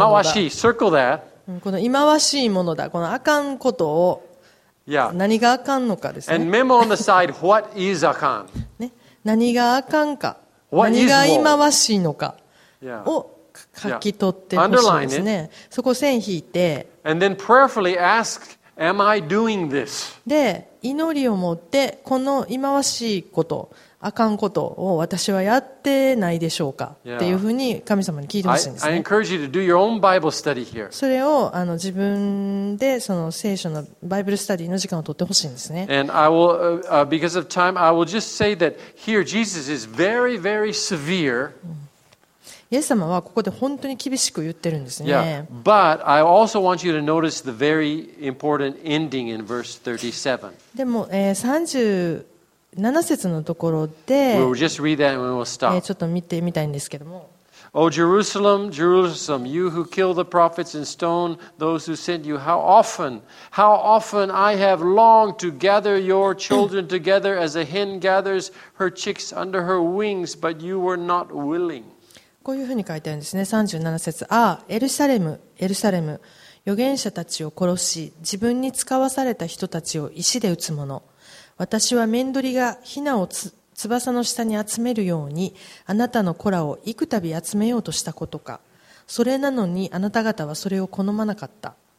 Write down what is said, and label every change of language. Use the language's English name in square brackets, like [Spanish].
[Japanese] だ、忌まわしい、 [English] circle that、 [Japanese] この忌まわしいものだ、このあかんことを、 [English] Yeah. [Japanese] 何があかんのかですね。 [English] And memo on the side, what is あかん? [Japanese] ね、何があかんか、何が忌まわしいのかを書き取ってほしいですね。 [English] Underline it. [Japanese] そこ線引いて。 [English] And then prayerfully ask, am I doing this? [Japanese] で、祈りを持って、この忌まわしいこと、あかんことを私はやってないでしょうか、 [English] yeah. [Japanese] っていうふうに神様に聞いてほしいんですね。 [English] I encourage you to do your own Bible study here. [Japanese] それを自分でその聖書のバイブルスタディの時間を取ってほしいんですね。 [English] And I will, because of time, I will just say that here Jesus is very, very severe. [Japanese] イエス様はここで本当に厳しく言ってるんですね。 [English] Yeah, but I also want you to notice the very important ending in verse 37. [Japanese] でも、37節のところで、 [English] we'll just read that and we'll stop. [Japanese] ちょっと見てみたいんですけども。 [English] O Jerusalem, Jerusalem, you who kill the prophets and stone those who sent you, how often I have longed to gather your children together as a hen gathers her chicks under her wings, but you were not willing. [Japanese] こういうふうに書いてあるんですね。37節、ああエルサレム、エルサレム、預言者たちを殺し自分に使わされた人たちを石で打つ者、私はメンドリがヒナを翼の下に集めるようにあなたの子らを幾度集めようとしたことか、それなのにあなた方はそれを好まなかった。